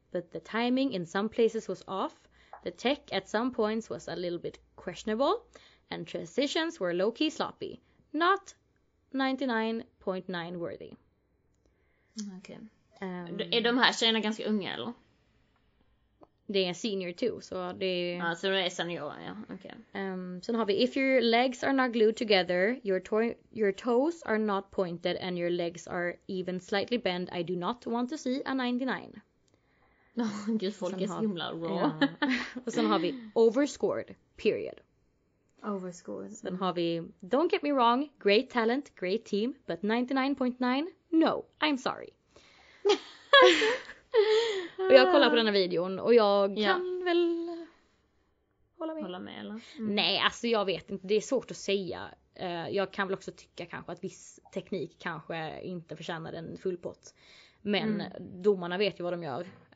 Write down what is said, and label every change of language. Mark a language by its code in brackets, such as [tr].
[en] But the timing in some places was off. The tech at some points was a little bit questionable and transitions were low-key sloppy. Not 99.9 worthy. [sv] Okej. Okay. Är de här tjejerna ganska unga eller? Det är senior too, så det är... Ja, så det är senior, ja. Okay. Sen har vi, [en] if your legs are not glued together, your toes are not pointed and your legs are even slightly bent, I do not want to see a 99. [sv] Gud, folk är så himla raw. Ja. Och sen har vi overscored, period. [en] Overscored. [sv] Sen har vi, [en] don't get me wrong, great talent, great team, but 99.9, no, I'm sorry. [sv] Och jag kollar på den här videon och jag kan väl hålla med. Hålla med eller? Mm. Nej, alltså jag vet inte, det är svårt att säga. Jag kan väl också tycka kanske att viss teknik kanske inte förtjänar en full pott. Men domarna vet ju vad de gör.